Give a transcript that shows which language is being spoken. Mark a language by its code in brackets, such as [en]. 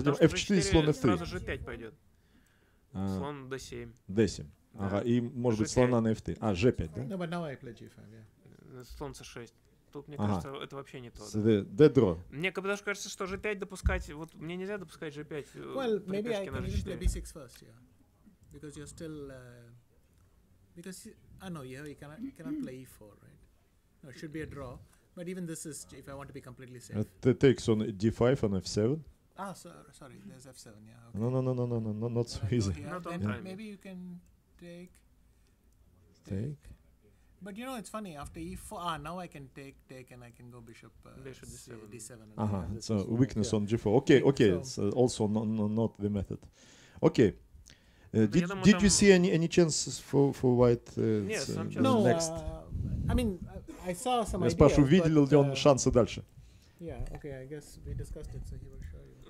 [ru] G4, f4, слон f3. Сразу g5 пойдет. Слон d7. D7. Ага, и, может быть, слона на f3. А, g5, да? [en] No, but now I play g5, yeah. [ru] Слон c6. тут, мне кажется, это вообще не то. [en] D-draw. [ru] Мне даже кажется, что G5 допускать, вот мне нельзя допускать G5. [en] Well, maybe I can even play B6 first, yeah. Because you're still... because, you cannot play E4, right? No, it should be a draw. But even this is, if I want to be completely safe. It takes on D5 and F7. Ah, sorry, there's F7, yeah. Okay. No, not so easy. Not on time. Maybe you can take... Take? But you know, it's funny, after E4, now I can take, and I can go bishop D7. It's a weakness on G4. Okay, it's also not the method. Okay. Did you see any chances for white next? I mean, I saw some ideas. [ru] Я спрашиваю, видел ли он шансы дальше? [en] Yeah, okay, I guess we discussed it, so he will show you.